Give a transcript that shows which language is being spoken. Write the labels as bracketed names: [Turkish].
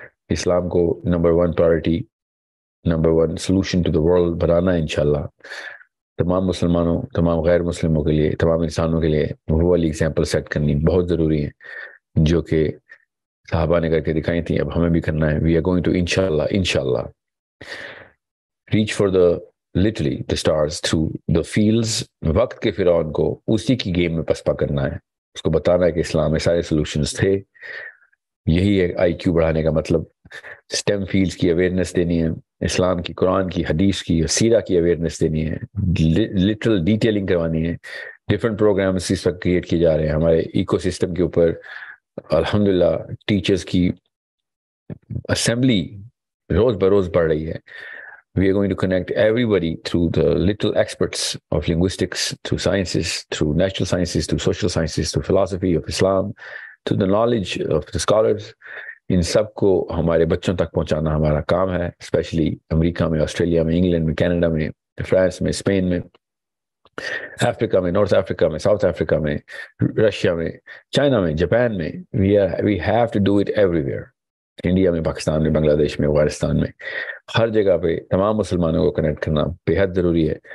[Urdu] اسلام کو number one priority, [English] number one solution to the world [Urdu] بنانا ہے انشاءاللہ, تمام مسلمانوں, تمام غیر مسلموں کے لیے, تمام انسانوں کے لیے وہ والی اگزامپل سیٹ کرنی بہت ضروری ہے جو کہ صحابہ نے کر کے دکھائی تھیں, اب ہمیں بھی کرنا ہے. [English] We are going to انشاءاللہ reach for the literally the stars through the fields. [Urdu] وقت کے فرعون کو اسی کی گیم میں پسپا کرنا ہے, اس کو بتانا ہے کہ اسلام میں سارے سولوشنز تھے, یہی ہے آئی کیو بڑھانے کا مطلب. اسٹیم فیلڈز کی اویئرنیس دینی ہے, اسلام کی, قرآن کی, حدیث کی, سیرہ کی اویئرنیس دینی ہے, لٹرل ڈیٹیلنگ کروانی ہے. ڈفرینٹ پروگرامس اس وقت کریٹ کیے جا رہے ہیں ہمارے ایکو سسٹم کے اوپر. الحمدللہ ٹیچرز کی اسمبلی روز بروز بڑھ رہی ہے. [English] We are going to connect everybody through the little experts of linguistics, through sciences, through natural sciences, through social sciences, through philosophy of Islam, through the knowledge of the scholars. [Urdu] ان سب کو ہمارے بچوں تک پہنچانا ہمارا کام ہے, especially امریکہ میں, Australia میں, England میں, کینیڈا میں, فرانس میں, اسپین میں, افریقہ میں, نارتھ افریقہ میں, ساؤتھ افریقہ میں, رشیا میں, چائنا میں, جاپان میں. [English] we have to do it everywhere, [Urdu] India میں, پاکستان میں, بنگلہ دیش میں, افغانستان میں, ہر جگہ پہ تمام مسلمانوں کو کنیکٹ کرنا بے حد ضروری ہے.